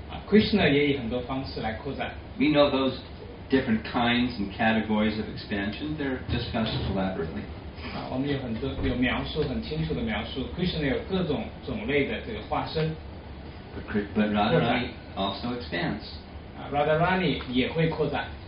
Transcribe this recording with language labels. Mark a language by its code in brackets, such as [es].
[zh] Krishna 也以很多方式来扩展。 [en] We know those different kinds and categories of expansion. They're discussed elaborately. [zh] 我们有很多有描述，很清楚的描述。Krishna 有各种种类的这个化身。 [en] But Radharani also expands. [zh] Radharani 也会扩展。